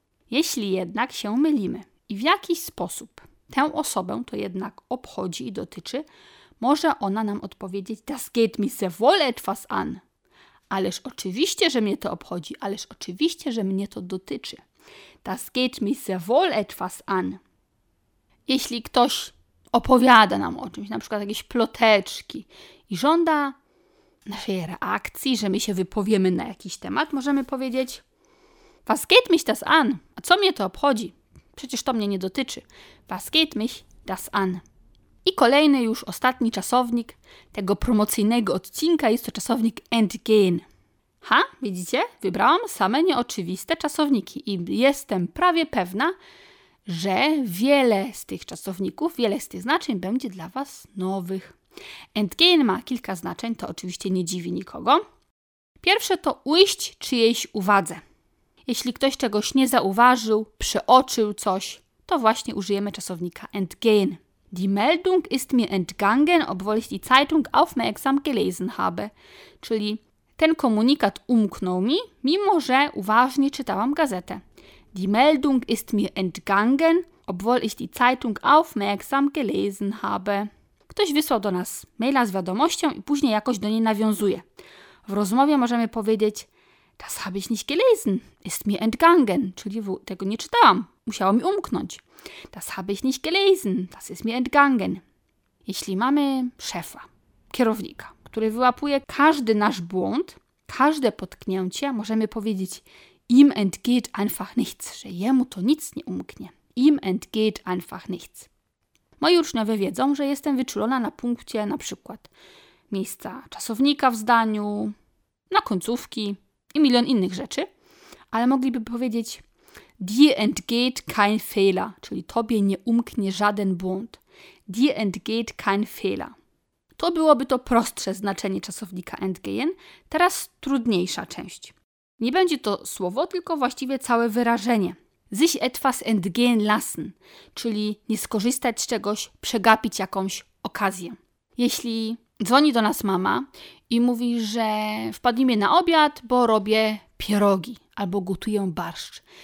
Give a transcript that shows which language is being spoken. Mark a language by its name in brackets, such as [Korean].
[Polish] Jeśli jednak się mylimy i w jakiś sposób tę osobę to jednak obchodzi i dotyczy, może ona nam odpowiedzieć [German] Das geht mich sehr wohl etwas an. [Polish] Ależ oczywiście, że mnie to obchodzi, ależ oczywiście, że mnie to dotyczy. [German] Das geht mich sehr wohl etwas an. [Polish] Jeśli ktoś opowiada nam o czymś, na przykład jakieś ploteczki i żąda naszej reakcji, że my się wypowiemy na jakiś temat, możemy powiedzieć: [German] Was geht mich das an? [Polish] A co mnie to obchodzi? Przecież to mnie nie dotyczy. [German] Was geht mich das an? [Polish] I kolejny, już ostatni czasownik tego promocyjnego odcinka jest to czasownik entgehen. Ha? Widzicie? Wybrałam same nieoczywiste czasowniki i jestem prawie pewna, że wiele z tych czasowników, wiele z tych znaczeń będzie dla Was nowych. Entgehen ma kilka znaczeń, to oczywiście nie dziwi nikogo. Pierwsze to ujść czyjejś uwadze. Jeśli ktoś czegoś nie zauważył, przeoczył coś, to właśnie użyjemy czasownika entgehen. [German] Die Meldung ist mir entgangen, obwohl ich die Zeitung aufmerksam gelesen habe. [Polish] Czyli ten komunikat umknął mi, mimo że uważnie czytałam gazetę. [German] Die Meldung ist mir entgangen, obwohl ich die Zeitung aufmerksam gelesen habe. [Polish] Ktoś wysłał do nas maila z wiadomością i później jakoś do niej nawiązuje. W rozmowie możemy powiedzieć: [German] Das habe ich nicht gelesen, ist mir entgangen. [Polish] Czyli tego nie czytałam, musiało mi umknąć. [German] Das habe ich nicht gelesen, das ist mir entgangen. [Polish] Jeśli mamy szefa, kierownika, który wyłapuje każdy nasz błąd, każde potknięcie, możemy powiedzieć: [German] Ihm entgeht einfach nichts, [Polish] że jemu to nic nie umknie. [German] Ihm entgeht einfach nichts. [Polish] Moi uczniowie wiedzą, że jestem wyczulona na punkcie na przykład miejsca czasownika w zdaniu, na końcówki i milion innych rzeczy, ale mogliby powiedzieć: [German] Dir entgeht kein Fehler, [Polish] czyli tobie nie umknie żaden błąd. [German] Dir entgeht kein Fehler. [Polish] To byłoby to prostsze znaczenie czasownika entgehen, teraz trudniejsza część. Nie będzie to słowo, tylko właściwie całe wyrażenie. [German] Sich etwas entgehen lassen, [Polish] czyli nie skorzystać z czegoś, przegapić jakąś okazję. Jeśli dzwoni do nas mama i mówi, że wpadnij mi na obiad, bo robię pierogi albo gotuję barszcz.